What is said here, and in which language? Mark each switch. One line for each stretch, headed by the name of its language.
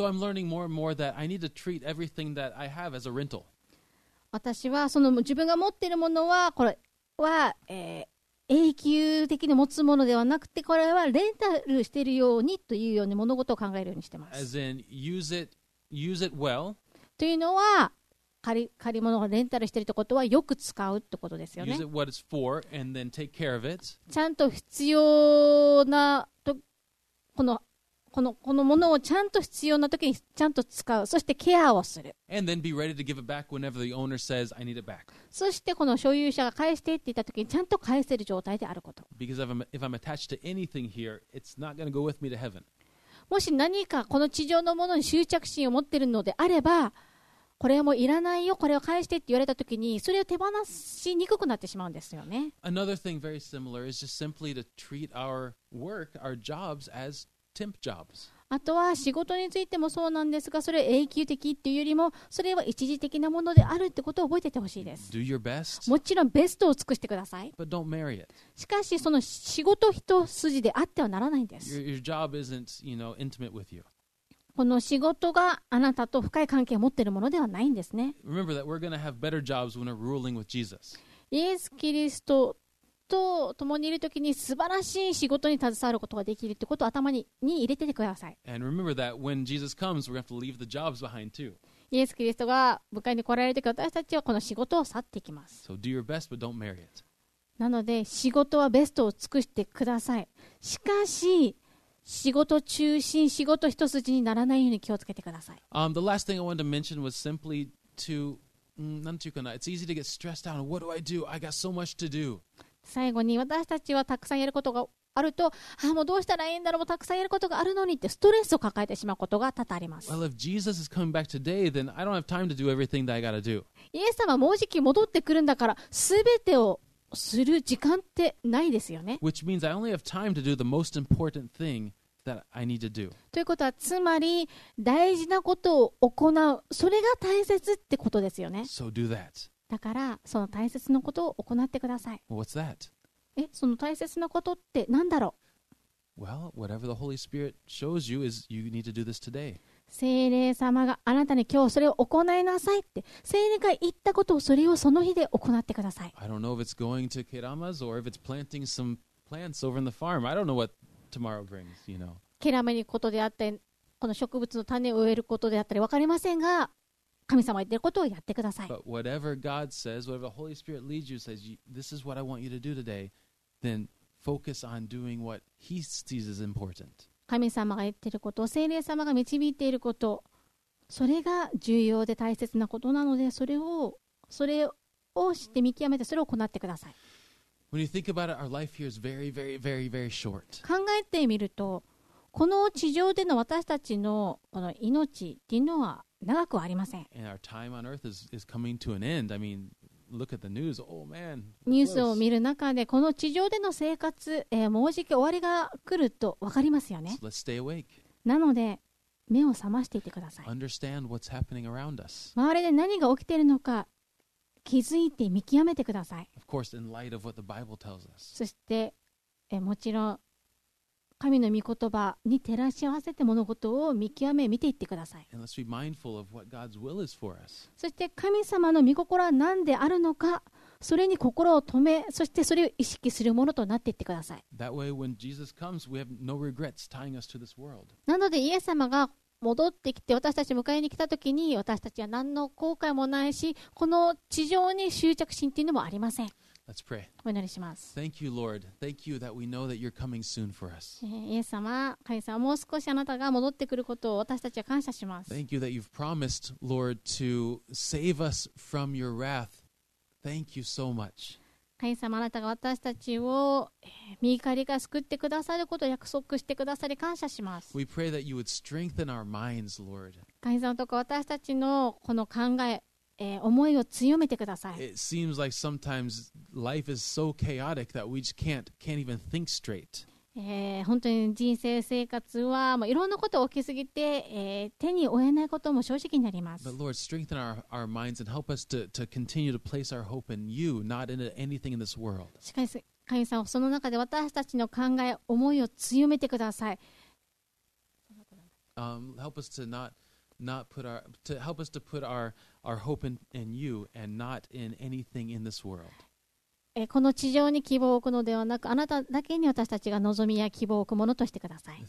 English: So I'm learning more and more that I need to treat everything that I have as a rental.
Japanese: 私はその自分が持っているものはこれは、永久的に持つものではなくて、これはレンタルしているようにというように物事を考えるようにしています。
English: As in, use it well.
Japanese: というのは借り物をレンタルしているということはよく使うということですよね。
English: Use it what it's for and then take care of it.
Japanese: ちゃんと必要なとこのものをちゃんと必要な時にちゃんと使う、そしてケアをする。
English: And then be ready to give it back whenever the owner says I need it back.
Japanese: そしてこの所有者が返してって言った時にちゃんと返せる状態であること。
English: Because if I'm attached to anything here, it's not going to go with me to heaven.
Japanese: もし何かこの地上のものに執着心を持っているのであれば、これはもういらないよ、これを返してって言われた時にそれを手放しにくくなってしまうんですよね。
English: Another thing very similar is just simply to treat our work, our jobs asTemp jobs.
Japanese: あとは仕事についてもそうなんですが、それは永久的というよりもそれは一時的なものであるってことを覚えててほしいです。
English: Do your best.
Japanese: もちろんベストを尽くしてください。
English: But don't marry it.
Japanese: しかしその仕事一筋であってはならないんです。
English: your job isn't, you know, intimate with you.
Japanese: この仕事があなたと深い関係を持っているものではないんですね。
English: Remember that we're going to have better jobs when we're ruling with Jesus.
Japanese: イエス・キリストと共にいるときに素晴らしい仕事に携わることができるということを頭に入れててください。
English: And remember that when Jesus comes, we're going to have to leave the jobs behind too.
Japanese: イエス・キリストが迎えに来られるとき、私たちはこの仕事を去っていきます。
English: So do your best, but don't marry it.
Japanese: なので仕事はベストを尽くしてください。しかし仕事中心、仕事一筋にならないように気をつけてください。
English: The last thing I wanted to mention was simply to
Japanese: なんていうかな、
English: It's easy to get stressed out. What do I do? I got so much to do.
Japanese: 最後に私たちはたくさんやることがあると、ああもうどうしたらいいんだろう、もうたくさんやることがあるのにってストレスを抱えてしまうことが多々あります。
English: Well, if Jesus is coming back today, then I don't have time to do everything that I gotta do.
Japanese: イエス様もうじき戻ってくるんだから、すべてをする時間ってないですよね。
English: Which means I only have time to do the most important thing that I need to do.
Japanese: ということはつまり大事なことを行う、それが大切ってことですよね。
English: So do that.
Japanese: だからその大切なことを行ってください。
English: Well, what's that?
Japanese: え、その大切なことって何だろう。
English: Well, whatever the Holy Spirit shows you is you need to do this today.
Japanese: 聖霊様があなたに今日それを行いなさいって、聖霊が言ったことをそれをその日で行ってください。
English: I don't know if it's going to Kerama's or if it's planting some plants over in the farm. I don't know what tomorrow brings, you know.
Japanese: Kerama にことであって、この植物の種を植えることであったり分かりませんが、神様が言っていることをやってください。
English: But whatever God says, whatever the Holy Spirit leads you, says this is what I want you to do today, then focus on doing what He sees as important.
Japanese: 神様が言っていること、聖霊様が導いていること、それが重要で大切なことなので、それを知って見極めてそれを行ってください。
English: When you think about it, our life here is very, very, very, very short.
Japanese: 考えてみると、この地上での私たちのこの命っていうのは長くはありません。ニュースを見る中で、この地上での生活、もうじき終わりが来ると分かりますよね。
English: So、let's stay awake.
Japanese: なので、目を覚ましていてください。
English: Understand what's happening around us.
Japanese: 周りで何が起きているのか気づいて見極めてください。
English: Of course, in light of what the Bible tells us.
Japanese: そして、もちろん、神の御言葉に照らし合わせて物事を見極め見ていってください。
English: And let's be mindful of what God's will is for us.
Japanese: そして神様の御心は何であるのか、それに心を止め、そしてそれを意識するものとなっていってください。
English: That way, when Jesus comes, we have no regrets tying us to this world.
Japanese: なのでイエス様が戻ってきて私たちを迎えに来た時に、私たちは何の後悔もないし、この地上に執着心というのもありません。
English: Let's pray.
Japanese: お祈りします。
English: Thank you, Lord. Thank you that we know that you're coming soon for us.
Japanese: イエス様、神様、もう少しあなたが戻ってくることを私たちは感謝します。
English: Thank you that you've promised, Lord, to save us from your wrath. Thank you so much.
Japanese: 神様、あなたが私たちを身怒りから救ってくださることを約束してくださり感謝します。
English: We pray that you would strengthen our minds, Lord.
Japanese: 神様とか私たちのこの考え、思いを強めてください。
English: It seems like sometimes life is so chaotic that we just can't even think straight.
Japanese: 本当に人生生活はもういろんなことが起きすぎて、手に負えないことも正直になります。
English: But Lord, strengthen our minds and help us to continue to place our hope in you, not in anything in this world.
Japanese: しかし、神様、その中で私たちの考え、思いを強めてください。
English: Help us to not put our to help us to put our hope in you and not in anything in this world.
Japanese: この地上に希望を置くのではなく、あなただけに私たちが望みや希望を置くものとしてください。